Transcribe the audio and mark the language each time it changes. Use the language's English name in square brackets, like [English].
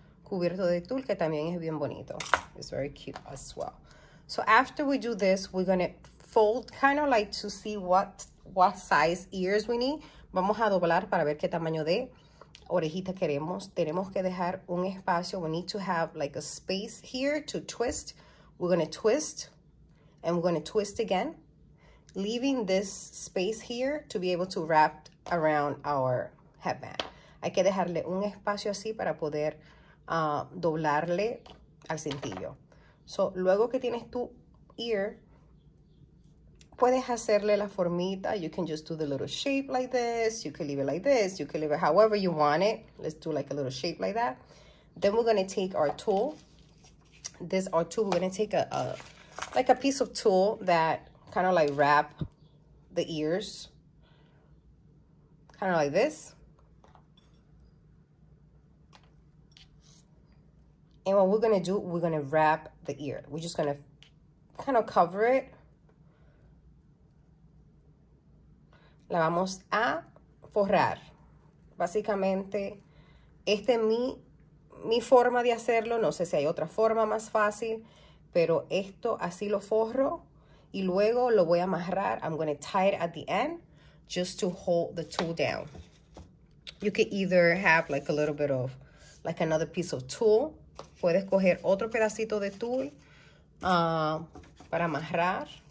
[Spanish] Cubierto de tul, que también es bien bonito. [English] It's very cute as well. So after we do this, we're gonna fold kind of like to see what size ears we need. [Spanish] Vamos a doblar para ver qué tamaño de orejita queremos. Tenemos que dejar un espacio. [English] We need to have like a space here to twist. We're gonna twist and we're gonna twist again, leaving this space here to be able to wrap around our headband. [Spanish] Hay que dejarle un espacio así para poder doblarle al cintillo. So, luego que tienes tu ear, puedes hacerle la formita. [English] You can just do the little shape like this. You can leave it like this. You can leave it however you want it. Let's do like a little shape like that. Then we're gonna take our tool. This our tool. We're gonna take a piece of tool that kind of like wrap the ears, kind of like this. And what we're gonna do, we're gonna wrap the ear. We're just gonna kind of cover it. [Spanish] La vamos a forrar. Básicamente, este es mi forma de hacerlo. No sé si hay otra forma más fácil, pero esto así lo forro y luego lo voy a amarrar. [English] I'm gonna tie it at the end just to hold the tool down. You can either have like a little bit of, like another piece of tool. [Spanish] Puedes coger otro pedacito de tul para amarrar.